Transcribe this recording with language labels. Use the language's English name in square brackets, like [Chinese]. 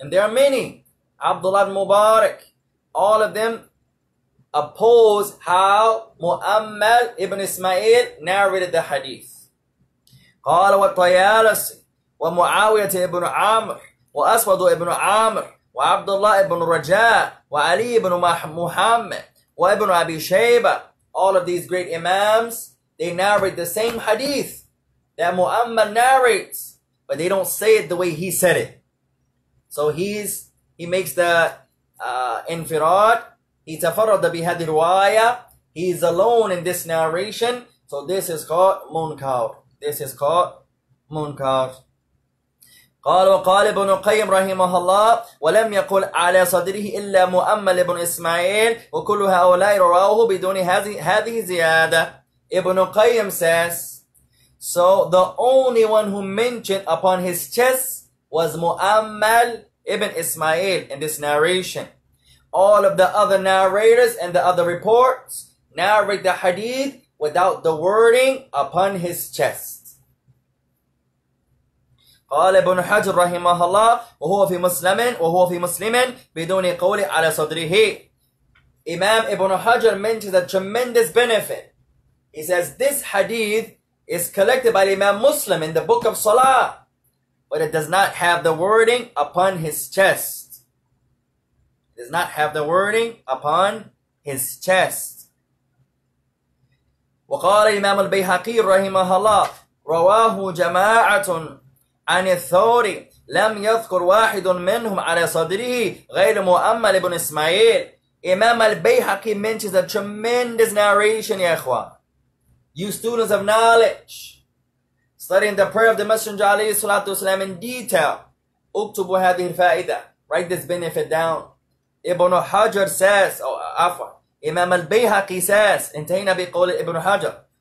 [English] And there are many. عبد الله ابن مبارك. All of them oppose how مؤمل ابن اسماعيل narrated the hadith. [Arabic] قال وطيالس ومعاوية ابن عامر وأسود ابن عامر وعبد الله ابن رجاء وعلي ابن محمد وابن أبي شيبة. [English] All of these great imams, they narrate the same hadith that Mu'ammal narrates, but they don't say it the way he said it. So he makes the infirad. He [Arabic] tafarrada bihadhihi ar-riwaya. [English] He is alone in this narration. So this is called munkar. This is called munkar. [Arabic] قال وقال ابن قيم رحمه الله ولم يقل على صدره إلا مؤمل ابن إسماعيل وكل هؤلاء رواه بدون هذه زيادة. [English] Ibn Qayyim says, so the only one who mentioned upon his chest was Mu'ammal ibn Ismail in this narration. All of the other narrators and the other reports narrate the hadith without the wording upon his chest. [Arabic] قال ابن حجر رحمه الله وهو في مسلم بدون قول على صدره. [English] Imam Ibn Hajar mentions a tremendous benefit. He says this hadith is collected by Imam Muslim in the Book of Salah, but it does not have the wording upon his chest. It does not have the wording upon his chest. [Arabic] وقال الإمام البيهقي رحمه الله رواه جماعة عن الثوري لم يذكر واحد منهم على صدره غير مؤمل ابن إسماعيل. [English] Imam البيهقي mentions a tremendous narration, [Arabic] يا إخوة. [English] You students of knowledge, studying the prayer of the Messenger alayhi salatu wasalam in detail. [Arabic] Uktubu hadhihi al-fa'ida. [English] Write this benefit down. Ibn Hajar says, Imam al-Bayhaqi says, [Arabic] intayna biqawli Ibn Hajar.